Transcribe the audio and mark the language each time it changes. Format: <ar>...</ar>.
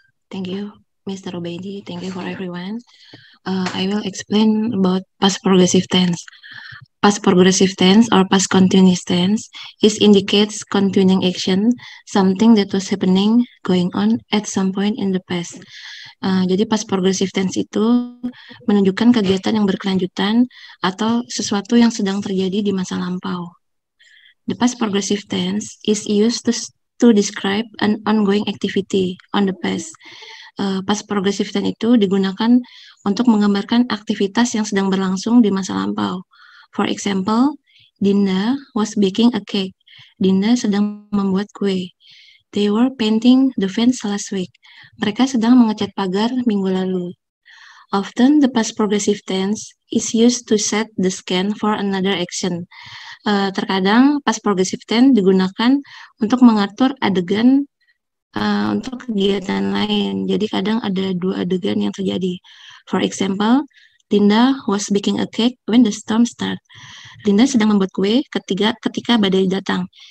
<en>Thank you, Mr. Obaidi. Thank you for everyone. I will explain about past progressive tense. past progressive tense or past continuous tense. It indicates continuing action, something that was happening, going on at some point in the past.</en> <id>Jadi past progressive tense itu menunjukkan kegiatan yang berkelanjutan atau sesuatu yang sedang terjadi di masa lampau.</id> <en>The past progressive tense is used to describe an ongoing activity on the past.</en> <id>Past progressive tense itu digunakan untuk menggambarkan aktivitas yang sedang berlangsung di masa lampau.</id> <en>For example, Dinda was baking a cake.</en> <id>Dinda sedang membuat kue.</id> <en>They were painting the fence last week.</en> <id>Mereka sedang mengecat pagar minggu lalu.</id> <en>Often, the past progressive tense is used to set the scene for another action.</en> <id>Terkadang, past progressive tense digunakan untuk mengatur adegan untuk kegiatan lain. Jadi, kadang ada dua adegan yang terjadi.</id> <en>For example, Linda was baking a cake when the storm start.</en> <id>Linda sedang membuat kue ketika badai datang.</id>